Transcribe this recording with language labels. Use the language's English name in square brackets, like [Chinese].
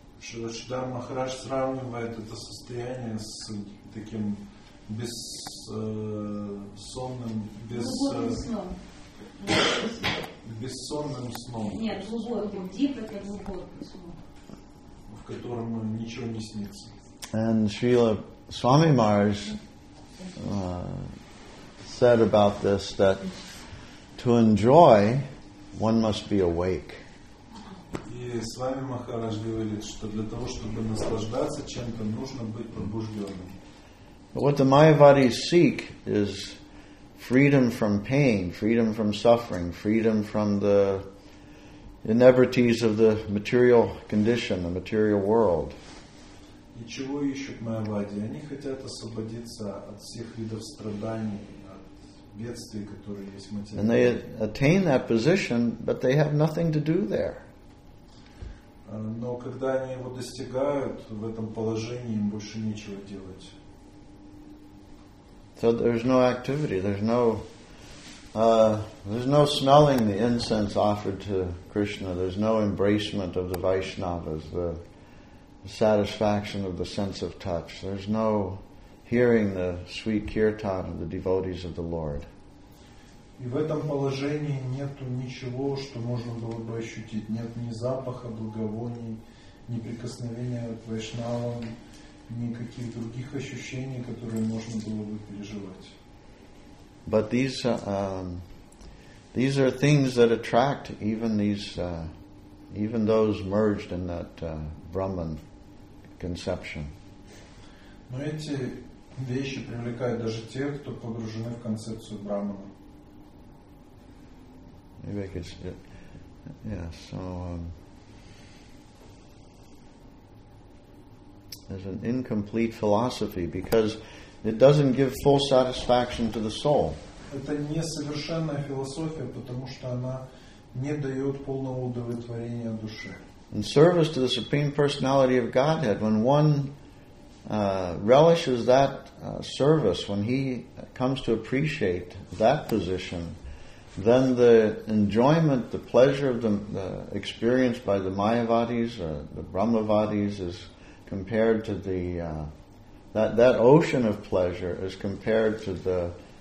[Russian] Шрила Шридхар Махарадж сравнивает это состояние с таким бессонным, бессонным сном. Нет, глубоким, deep это глубоким сном. котором ничего не снится. [English] And Srila Swami Maharaj said about this that to enjoy, one must be awake. [Russian] И Свами Махарадж говорит, что для того, чтобы наслаждаться чем-то, нужно быть пробужденным. [English] What the Mayavadis seek is freedom from pain, freedom from suffering, freedom from the inevities of the material condition, the material world. [Russian] И чего ищут Майавади? Они хотят освободиться от всех видов страданий, от бедствий, которые есть в материале. [English] And they attain that position, but they have nothing to do there. [Russian] Но когда они его достигают, в этом положении им больше нечего делать. [English] So there's no activity, there's no smelling the incense offered to Krishna, there's no embracement of the Vaishnavas, the satisfaction of the sense of touch, there's no hearing the sweet kirtan of the devotees of the Lord. [Russian] И в этом положении нету ничего, что можно было бы ощутить. Нет ни запаха благовоний, ни прикосновения к Вайшнавам, никаких других ощущений, которые можно было бы переживать. [English] But these are things that attract even those merged in that Brahman conception. [Russian] Но эти вещи привлекают даже тех, кто погружены в концепцию Брахмана. [English] Maybe I could, there's an incomplete philosophy because it doesn't give full satisfaction to the soul. [Russian] Это несовершенная философия, потому что она не дает полного удовлетворения душе. [English] In service to the Supreme Personality of Godhead, when one relishes that service, when he comes to appreciate that position, then the enjoyment, the pleasure of the experience by the Mayavadis, the Brahmavadis is compared to the that ocean of pleasure is compared to the